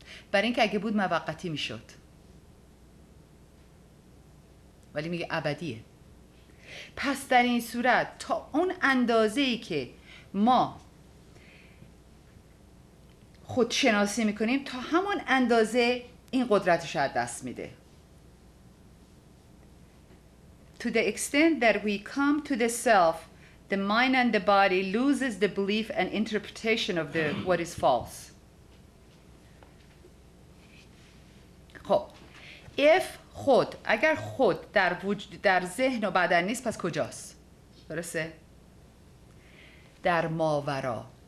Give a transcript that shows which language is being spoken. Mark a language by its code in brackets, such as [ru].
[fa] برای اینکه اگه بود موقتی میشد، ولی میگه ابدیه. پس در این صورت تا اون اندازه‌ای که ما خودشناسی میکنیم، تا همون اندازه این قدرتش از دست میده. [en] To the extent that we come to the self, the mind and the body loses the belief and interpretation of the what is false. [fa] خب [en] if [fa] خود، اگر خود در وجود، در ذهن و بدن نیست، پس کجاست؟ درسته؟ در ماورا.